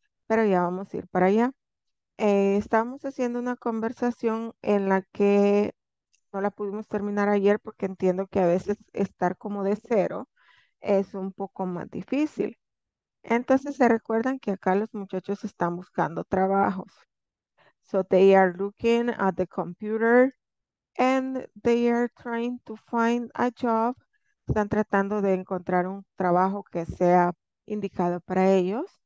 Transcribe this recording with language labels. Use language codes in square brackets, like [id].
[es] Pero ya vamos a ir para allá. Estamos haciendo una conversación en la que no la pudimos terminar ayer porque entiendo que a veces estar como de cero es un poco más difícil. Entonces, se recuerdan que acá los muchachos están buscando trabajos. [en] So they are looking at the computer and they are trying to find a job [es] están tratando de encontrar un trabajo que sea indicado para ellos.